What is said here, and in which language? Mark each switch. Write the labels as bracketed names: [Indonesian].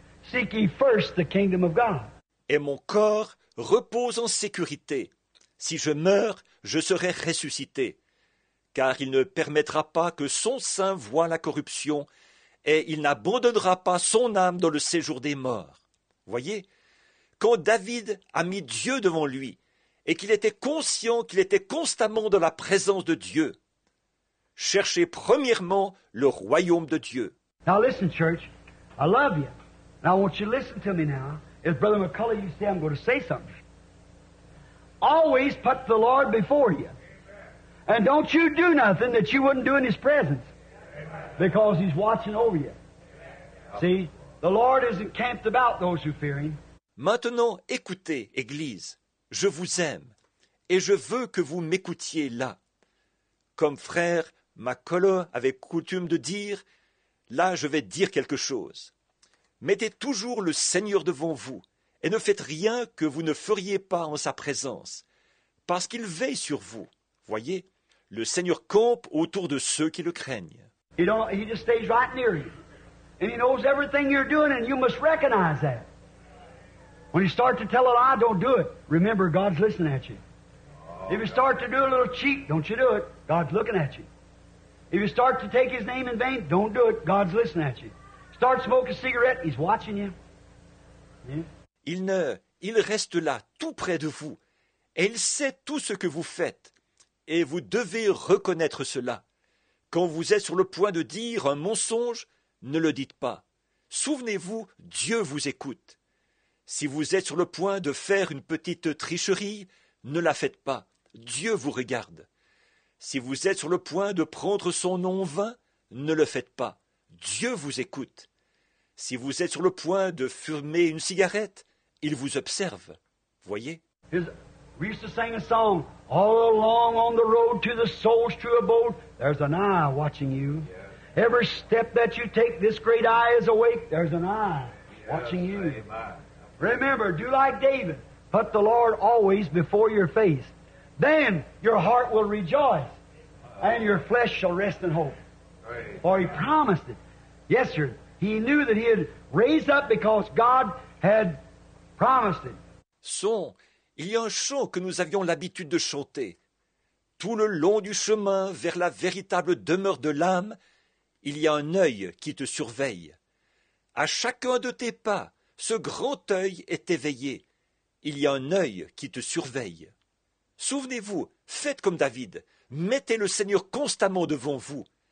[English] Seek ye first the kingdom of God. [French] Et mon corps repose en sécurité. Si je meurs, je serai ressuscité, car il ne permettra pas que son sein voie la corruption, et il n'abandonnera pas son âme dans le séjour des morts. Voyez, quand David a mis Dieu devant lui, et qu'il était conscient qu'il était constamment dans la présence de Dieu, cherchez premièrement le royaume de Dieu. [English] Now listen, church, I love you. Now I want you to listen to me now. If Brother McCullough, you say I'm going to say something. Always put the Lord before you. And don't you do nothing that you wouldn't do in His presence. Because He's watching over you. See, the Lord isn't camped about those who fear Him. [French] Maintenant, écoutez, Église. Je vous aime. Et je veux que vous m'écoutiez là. Comme frère McCullough avait coutume de dire, là je vais dire quelque chose. Mettez toujours le Seigneur devant vous. Et ne faites rien que vous ne feriez pas en sa présence, parce qu'il veille sur vous. Voyez, le Seigneur campe autour de ceux qui le craignent. [English] He just stays right near you. And he knows everything you're doing, and you must recognize that. When you start to tell a lie, don't do it. Remember, God's listening at you. If you start to do a little cheat, don't you do it. God's looking at you. If you start to take his name in vain, don't do it. God's listening at you. Start smoking a cigarette, he's watching you. Yeah. [French] Il reste là, tout près de vous, et il sait tout ce que vous faites, et vous devez reconnaître cela. Quand vous êtes sur le point de dire un mensonge, ne le dites pas. Souvenez-vous, Dieu vous écoute. Si vous êtes sur le point de faire une petite tricherie, ne la faites pas. Dieu vous regarde. Si vous êtes sur le point de prendre son nom en vain, ne le faites pas. Dieu vous écoute. Si vous êtes sur le point de fumer une cigarette, il vous observe. Voyez. [English] We used to sing a song, All along on the road to the soul's true abode, there's an eye watching you. Yeah. Every step that you take, this great eye is awake, there's an eye watching you. Amen. Remember, do like David, put the Lord always before your face. Then your heart will rejoice and your flesh shall rest in hope. Praise For he God. Promised it. Yes, sir. He knew that he had raised up because God had promised it. [French] Son, il y a un chant que nous avions l'habitude de chanter. Tout le long du chemin vers la véritable demeure de l'âme, il y a un œil qui te surveille. À chacun de tes pas, ce grand œil est éveillé. Il y a un œil qui te surveille. Souvenez-vous, faites comme David, mettez le Seigneur constamment devant vous.